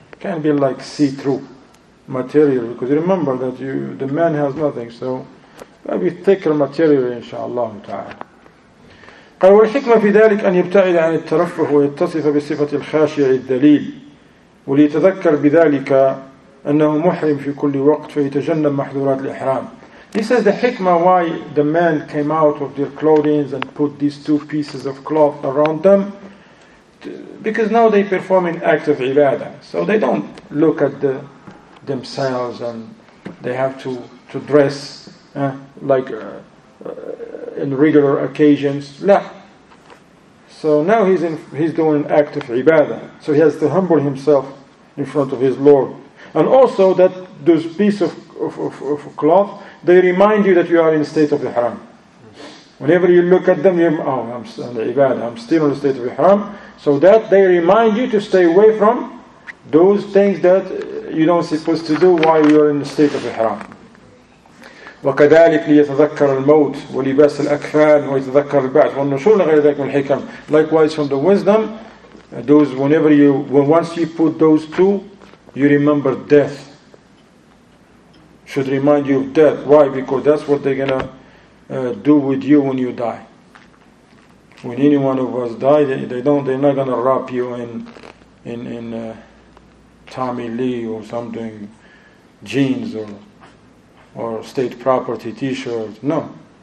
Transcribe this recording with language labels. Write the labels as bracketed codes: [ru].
[en] It can't be like see-through material, because you remember that the man has nothing, so maybe thicker material, inshallah, ta'ala. [ar] قال والحكمة في ذلك أن يبتعد عن الترفه ويتصف بصفة الخاشع الدليل وليتذكر بذلك أنه محرم في كل وقت فيتجنب محظورات الإحرام. [en] He says the hikmah why the man came out of their clothing and put these two pieces of cloth around them because now they perform an act of ibadah, so they don't look at themselves and they have to dress in regular occasions. No. So now he's doing an act of ibadah. So he has to humble himself in front of his Lord. And also that those piece of cloth, they remind you that you are in a state of ihram. Whenever you look at them, I'm in the ibadah, I'm still in a state of ihram. So that they remind you to stay away from those things that you don't supposed to do while you're in a state of ihram. [ar] وكذلك ليتذكر الموت ولباس الأكفان ويتذكر البعث والنشور لغير ذلك من الحكم. [en] Likewise from the wisdom, those whenever you when once you put those two, you remember death. Should remind you of death. Why? Because that's what they're gonna do with you when you die. When any one of us die, they're not gonna wrap you in Tommy Lee or something, jeans or state property t-shirts. No.